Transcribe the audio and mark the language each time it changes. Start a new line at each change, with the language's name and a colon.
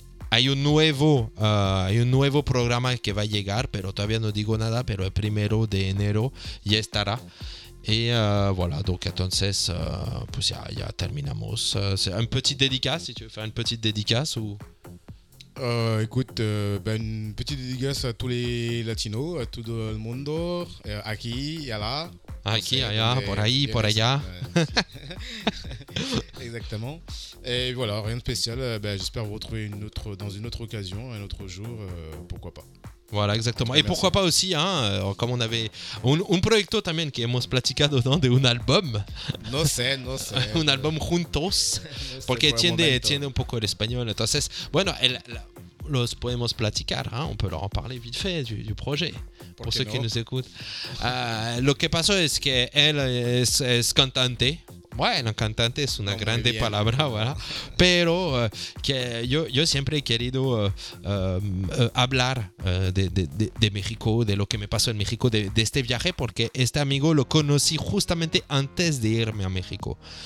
Spanish: Hay un nuevo programa que va a llegar, pero todavía no digo nada, pero el primero de enero ya estará.
French: Et voilà, donc
Spanish: entonces, pues ya terminamos.
French: C'est un petit dédicace, si tu veux faire une petite dédicace ou... Écoute, une petite dédicace à tous les latinos, à tout le monde,
Spanish: aquí, allá. Aquí, allá, por ahí, por allá.
French: Exactement. Et voilà, rien de spécial. J'espère vous retrouver dans une autre occasion, un autre jour, pourquoi pas. Voilà, exactement. Et merci. Pourquoi pas aussi, hein, comme on avait
Spanish: un proyecto también que hemos platicado, ¿no? De un album. No sé. Un album juntos. Porque entiende un poco el español. Entonces, bueno, los podemos platicar,
French: hein, on peut leur en parler vite fait du projet. Pour ceux qui nous écoutent.
Spanish: Lo que pasó es que él es cantante. Bueno, cantante es una grande palabra, ¿verdad? Pero que yo siempre he querido hablar de México, de lo que me pasó en México, de este viaje, porque este amigo lo conocí justamente antes de irme a México.